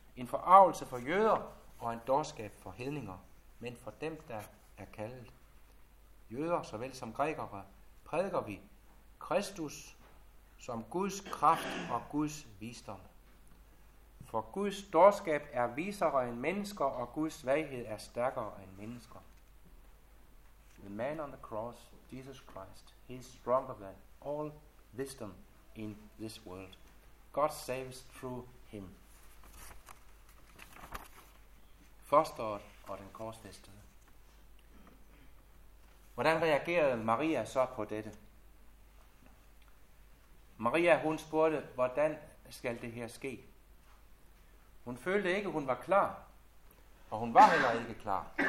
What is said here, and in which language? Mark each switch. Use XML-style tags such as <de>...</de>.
<da>en forargelse for jøder og en dårskab for hedninger, men for dem, der er kaldet jøder, såvel som grækere, prædiker vi Kristus som Guds kraft og Guds visdom. For Guds dårskab er visere end mennesker, og Guds svaghed er stærkere end mennesker.</da> <en>The man on the cross, Jesus Christ, he is stronger than all wisdom in this world. God saves through him.</en> <da>Fosteret og den korsfæstede. Hvordan reagerede Maria så på dette? Maria, hun spurgte, hvordan skal det her ske? Hun følte ikke, hun var klar, og hun var heller ikke klar.</da>